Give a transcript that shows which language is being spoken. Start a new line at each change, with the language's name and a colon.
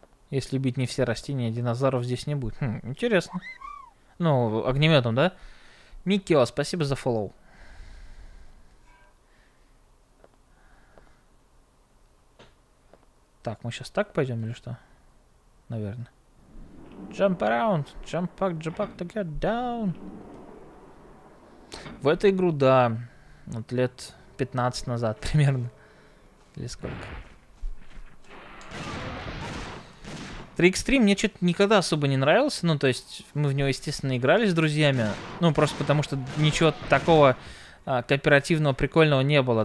Russian: Если убить не все растения, динозавров здесь не будет. Хм, интересно. Ну, огнеметом, да? Микио, спасибо за фоллоу. Так, мы сейчас так пойдем или что? Наверное.
English: Jump around, jump back to get down.
Russian: В эту игру, да, вот лет 15 назад примерно. Или сколько? 3x3 мне что-то никогда особо не нравился. Ну, то есть, мы в него, естественно, играли с друзьями. Ну, просто потому что ничего такого кооперативного, прикольного не было.